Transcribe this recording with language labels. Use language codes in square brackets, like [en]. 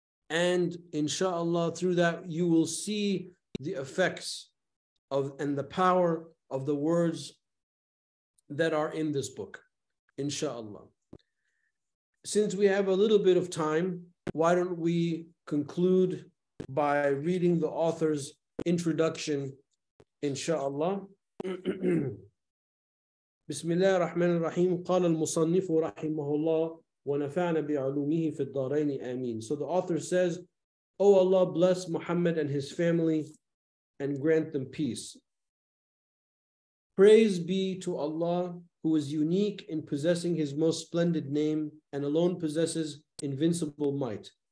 [en] And inshallah, through that, you will see the effects of and the power of the words that are in this book, inshallah. Since we have a little bit of time, why don't we conclude by reading the author's introduction, inshallah. [ar] بسم الله الرحمن الرحيم قال المصنف رحمه الله ونفعنا بعلومه في الدارين آمين. [en] So the author says, oh Allah, bless Muhammad and his family and grant them peace. Praise be to Allah, who is unique in possessing his most splendid name and alone possesses invincible might.